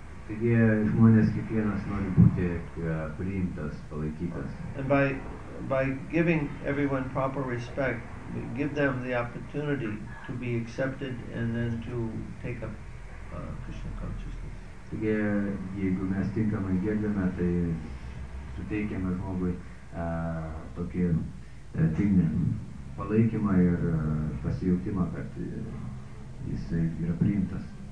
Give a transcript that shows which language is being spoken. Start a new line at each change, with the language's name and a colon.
Lithuanian: Taigi žmonės kiekvienas nori būti priimtas, palaikytas.
English: And by giving everyone proper respect, give them the opportunity to be accepted and then to take up Krishna consciousness.
Lithuanian: Taigi, jeigu mes tinkamai gerbiame, tai suteikiame žmogui tokį tinkamą palaikymą ir pasijautimą, kad jis yra priimtas.